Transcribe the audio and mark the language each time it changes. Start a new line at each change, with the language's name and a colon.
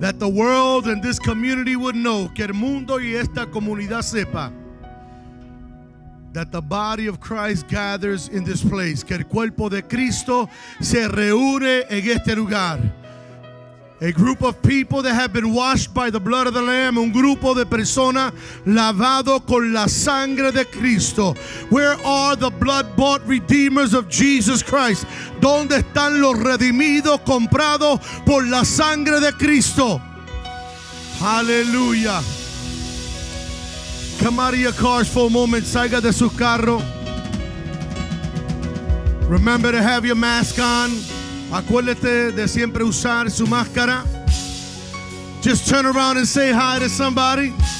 English: That the world and this community would know.
Spanish: Que el mundo y esta comunidad sepa.
English: That the body of Christ gathers in this place.
Spanish: Que el cuerpo de Cristo se reúne en este lugar.
English: A group of people that have been washed by the blood of the Lamb.
Spanish: Un grupo de personas lavado con la sangre de Cristo.
English: Where are the blood-bought redeemers of Jesus Christ?
Spanish: ¿Dónde están los redimidos comprados por la sangre de Cristo?
English: Hallelujah. Come out of your cars for a moment.
Spanish: Salga de su carro.
English: Remember to have your mask on.
Spanish: Acuérdate de siempre usar su máscara.
English: Just turn around and say hi to somebody.